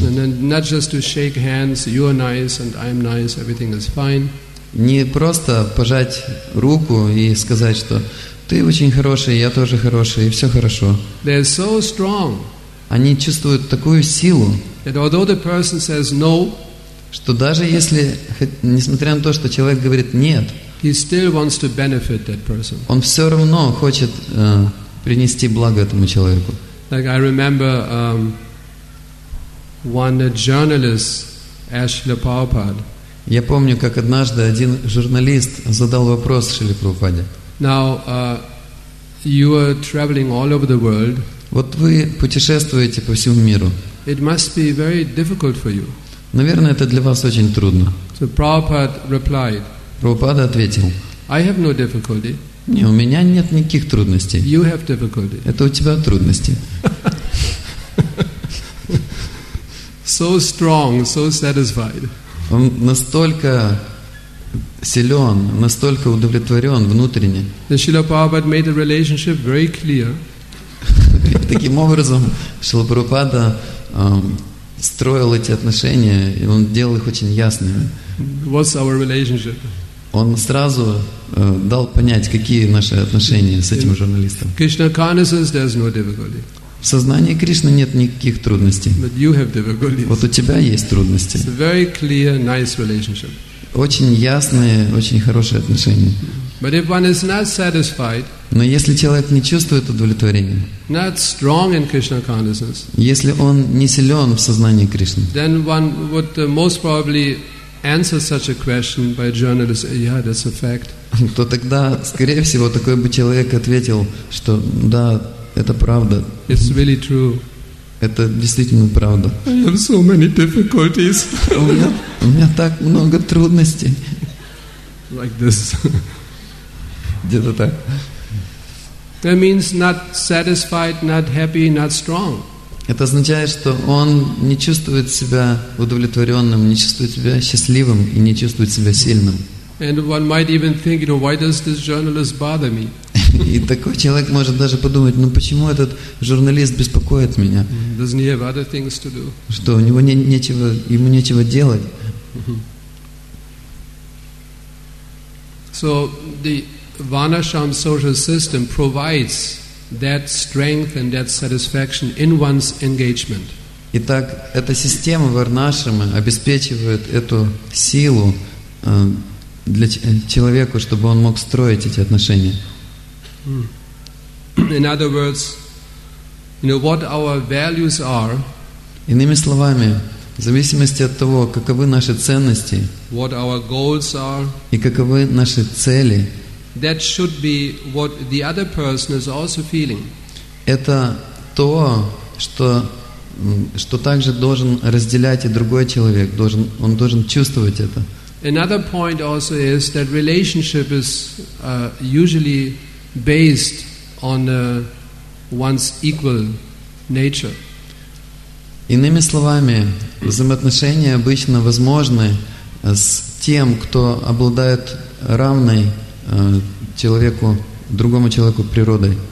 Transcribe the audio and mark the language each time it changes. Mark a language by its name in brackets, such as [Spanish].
[English] And then not just to shake hands, you are nice and I am nice, everything is fine. [Russian] Не просто пожать руку и сказать, что ты очень хороший, я тоже хороший, и все хорошо. [English] They are so strong. [Russian] Они чувствуют такую силу, [English] that although the person says no, [Russian] что даже если, несмотря на то, что человек говорит нет, [English] he still wants to benefit that person. [Russian] Он все равно хочет принести благо этому человеку. [English] Like I remember one journalist asked Srila Prabhupada. [Russian] Я помню, как однажды один журналист задал вопрос Шриле Прабхупаде. [English] Now you are traveling all over the world. [Russian] Вот вы путешествуете по всему миру. [English] It must be very difficult for you. [Russian] Наверное, это для вас очень трудно. [English] So Prabhupada replied. [Russian] Прабхупада ответил. [English] I have no difficulty. [Russian] Не, у меня нет никаких трудностей. [English] You have difficulty. [Russian] Это у тебя трудности. [English] So strong, so satisfied. [Russian] Он настолько силен, настолько удовлетворен внутренне. [English] Then Srila Prabhupada made the relationship very clear. [Russian] Таким образом, Шрила Прабхупада строил эти отношения, и он делал их очень ясными. [English] What's our relationship? [Russian] Он сразу дал понять, какие наши отношения с этим журналистом. [English] Krishna consciousness, there's no difficulty. [Russian] В сознании Кришны нет никаких трудностей. [English] But you have difficulties. [Russian] Вот у тебя есть трудности. [English] It's a very clear, nice relationship. [Russian] Очень ясные, очень хорошие отношения. [English] But if one is not satisfied, [Russian] но если человек не чувствует удовлетворения, [English] not strong in Krishna consciousness, [Russian] если он не силен в сознании Кришны, [English] then one would most probably answer such a question by a journalist, yeah, that's a fact. [Russian] То тогда, скорее всего, такой бы человек ответил, что да, это правда. [English] It's really true. [Russian] Это действительно правда. [English] I have so many difficulties. [Russian] у меня так много трудностей. [English] Like this. [Russian] Где-то так. [English] That means not satisfied, not happy, not strong. [Russian] Это означает, что он не чувствует себя удовлетворенным, не чувствует себя счастливым и не чувствует себя сильным. [English] And one might even think, you know, why does this journalist bother me? [Russian] И такой человек может даже подумать, ну почему этот журналист беспокоит меня? [English] Doesn't he have other things to do? [Russian] Что у него нечего, ему нечего делать? [English] So the Varnasham social system provides that strength and that satisfaction in one's engagement. [Russian] Итак, эта система Варнашрама обеспечивает эту силу для человека, чтобы он мог строить эти отношения. [English] In other words, you know what our values are. [Russian] Иными словами, в зависимости от того, каковы наши ценности, [English] what our goals are, [Russian] и каковы наши цели, [English] that should be what the other person is also feeling. [Russian] Это то, что также должен разделять и другой человек, он должен чувствовать это. [English] Another point also is that relationship is usually based on one's equal nature. [Russian] Иными словами, взаимоотношения обычно возможны с тем, кто обладает равной человеку, другому человеку природой.